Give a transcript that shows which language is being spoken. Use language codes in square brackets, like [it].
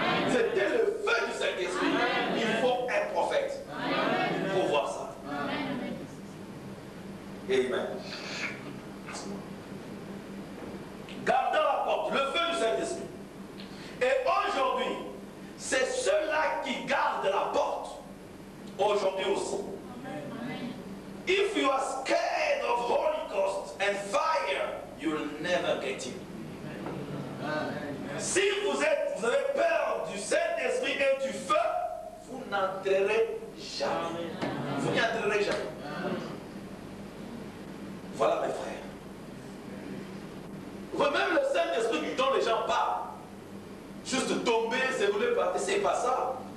[fr] C'était le feu du Saint-Esprit. Il faut un prophète pour voir ça. Amen. Gardant la porte, le feu du Saint-Esprit. Et aujourd'hui, c'est ceux-là qui gardent la porte. Aujourd'hui aussi. Amen. [en] If you are scared of Holy Ghost and fire, you'll never get in. [fr] Si vous êtes, vous avez peur du Saint-Esprit et du feu, vous n'entrerez jamais. Amen. Vous n'y entrerez jamais. Amen. Voilà mes frères. Même le Saint-Esprit dont les gens parlent, juste tomber, se rouler par terre, c'est pas ça.